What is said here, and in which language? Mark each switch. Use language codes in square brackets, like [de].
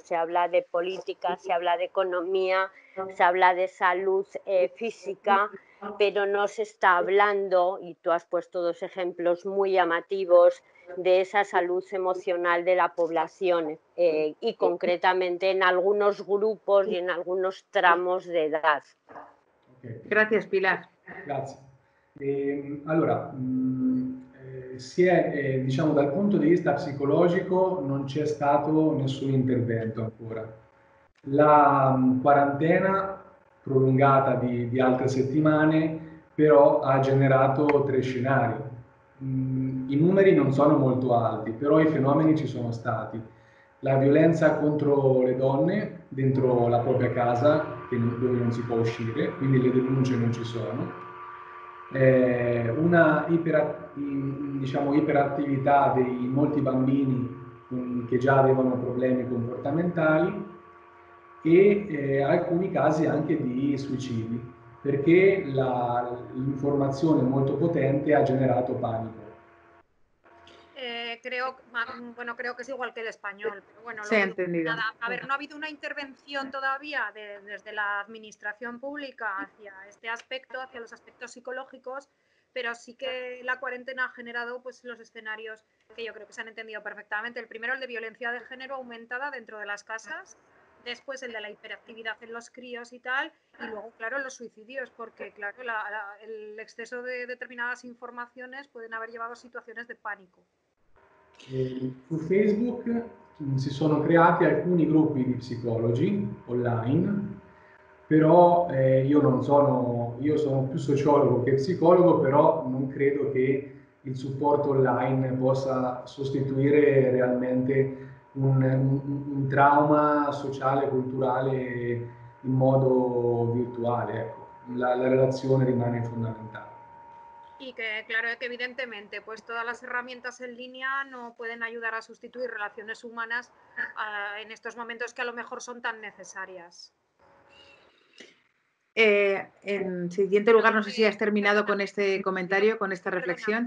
[es] Se habla de política, se habla de economía, se habla de salud física, pero no se está hablando, y tú has puesto dos ejemplos muy llamativos, de esa salud emocional de la población y concretamente en algunos grupos y en algunos tramos de edad. Okay. Gracias, Pilar. Gracias. [it] Allora, si è, diciamo, dal punto di vista psicologico non c'è stato nessun intervento ancora. La quarantena prolungata di altre settimane però ha generato tre scenari. I numeri non sono molto alti, però i fenomeni ci sono stati. La violenza contro le donne dentro la propria casa, dove non si può uscire, quindi le denunce non ci sono. Una iperattività di molti bambini che già avevano problemi comportamentali e alcuni casi anche di suicidi, perché l'informazione molto potente ha generato panico. [es] creo, bueno, creo que es igual que el español. Pero bueno, se ha entendido. Nada. A ver, no ha habido una intervención todavía desde la administración pública hacia este aspecto, hacia los aspectos psicológicos, pero sí que la cuarentena ha generado pues, los escenarios que yo creo que se han entendido perfectamente. El primero, el de violencia de género aumentada dentro de las casas. Después el de la hiperactividad en los críos y tal, y luego, claro, los suicidios, porque, claro, el exceso de determinadas informaciones pueden haber llevado a situaciones de pánico. [it] Su Facebook si sono creati alcuni gruppi di psicologi online, però io sono più sociologo che psicologo, però non credo che il supporto online possa sostituire realmente un trauma sociale, culturale in modo virtuale, ecco. La relazione rimane fondamentale. [es] Y que claro que evidentemente pues todas las herramientas en línea no pueden ayudar a sustituir relaciones humanas en estos momentos que a lo mejor son tan necesarias. En siguiente lugar, no sé si has terminado con este comentario, con esta reflexión.